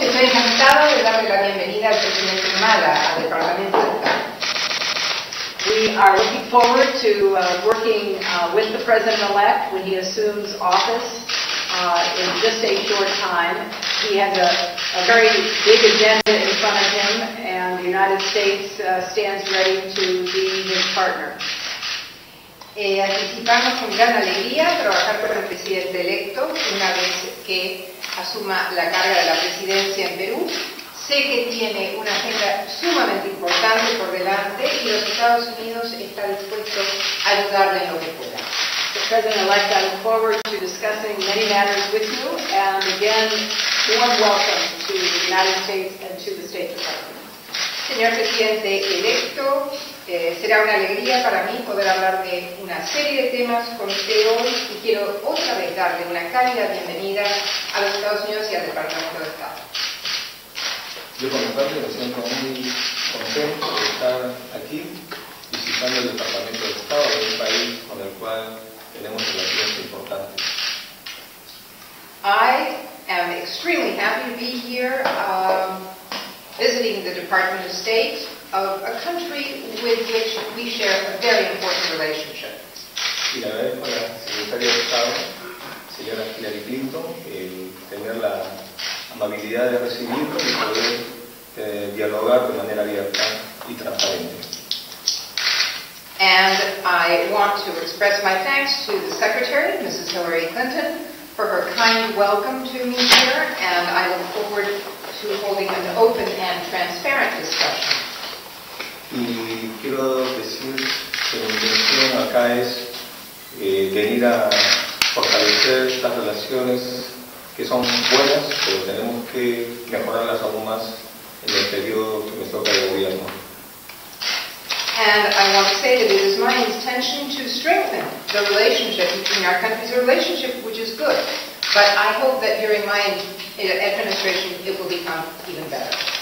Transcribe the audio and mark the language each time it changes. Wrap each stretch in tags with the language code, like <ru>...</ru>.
<es>Estoy encantada de darle la bienvenida al presidente Humala al Departamento de Estado.</es> <en>We are looking forward to working with the president-elect when he assumes office in just a short time. He has a very big agenda in front of him, and the United States stands ready to be his partner.</en> <es>Anticipamos con gran alegría trabajar con el presidente electo una vez que asuma la carga de la presidencia en Perú. Sé que tiene una agenda sumamente importante por delante y los Estados Unidos está dispuesto a ayudarle en lo que pueda.</es> <en>The president-elect, I look forward to discussing many matters with you, and again, warm welcome to the United States and to the State Department.</en> <es>Señor presidente electo, será una alegría para mí poder hablar de una serie de temas con usted hoy y quiero otra vez darle una cálida bienvenida a los Estados Unidos y al Departamento de Estado. Yo, por mi parte, me siento muy contento de estar aquí visitando el Departamento de Estado de un país con el cual tenemos relaciones importantes.</es> <en>I am extremely happy to be here visiting the Department of State of a country with which we share a very important relationship.</en> <es>Y la verdad es con la Secretaria de Estado, señora Hillary Clinton, el tener la amabilidad de recibirnos y poder dialogar de manera abierta y transparente.</es> <en>And I want to express my thanks to the Secretary, Mrs. Hillary Clinton, for her kind welcome to me here, and I look forward to holding an open and transparent discussion.</en> <es>Y quiero decir que mi intención acá es venir a fortalecer las relaciones que son buenas, pero tenemos que mejorarlas aún más en el periodo que me toca de gobierno.</es> <en>And I want to say that it is my intention to strengthen the relationship between our countries, a relationship which is good, but I hope that during my administration it will become even better.</en>